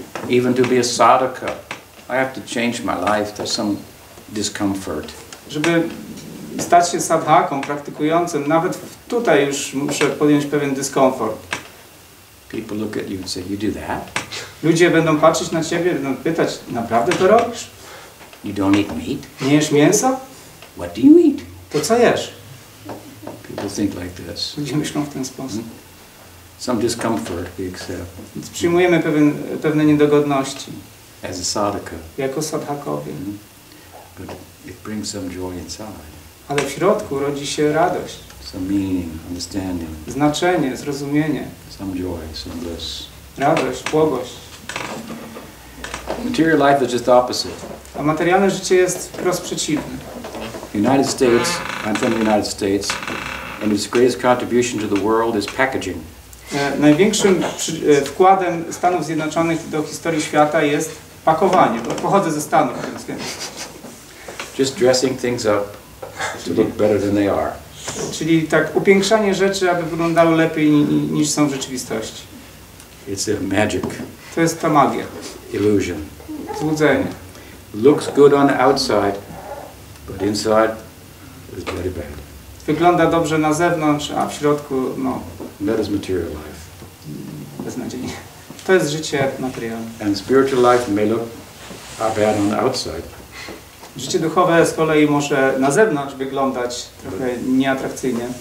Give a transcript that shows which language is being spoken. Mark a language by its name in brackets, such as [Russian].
[English] Even to be a sadhaka, I have to change my life. There's some discomfort. [Polish] Żeby stać się sadhaką, praktykującym, nawet tutaj już muszę podjąć pewien dyskomfort. [English] People look at you and say, "You do that?" [Polish] Ludzie będą patrzeć na ciebie, będą pytać, naprawdę to robisz? [English] You don't eat meat? [Polish] Nie jesz mięsa? [English] What do you eat? [Polish] To co jesz? [English] People think like this. [Polish] Ludzie myślą w ten sposób. [English] Some discomfort we accept. [Polish] Przyjmujemy pewne niedogodności. [English] As a sadhaka. [Polish] Jako sadhakowie. [English] But it brings some joy inside. [Polish] Ale w środku rodzi się radość. [English] Some meaning, understanding. [Polish] Znaczenie, zrozumienie. [English] Some joy, some bliss. [Polish] Radość, błogość. [English] Material life is just opposite. [Polish] A materialne życie jest wprost przeciwne. [English] United States, I'm from the United States, and its greatest contribution to the world is packaging. [Polish] Największym wkładem Stanów Zjednoczonych do historii świata jest pakowanie. Pochodzę ze Stanów, więc wiem. [English] Just dressing things up to look better than they are. [Polish] Czyli tak upiększanie rzeczy, aby wyglądały lepiej niż są w rzeczywistości. [English] It's a magic. [Polish] To jest ta magia. [English] Illusion. [Polish] Złudzenie. [English] Looks good on the outside, but inside is very bad. [Polish] Wygląda dobrze na zewnątrz, a w środku no. [English] That is material life. [Polish] Beznadziejnie. To jest życie materialne. [English] And spiritual life may look bad on the outside. [Polish] Życie duchowe z kolei może na zewnątrz wyglądać trochę nieatrakcyjnie.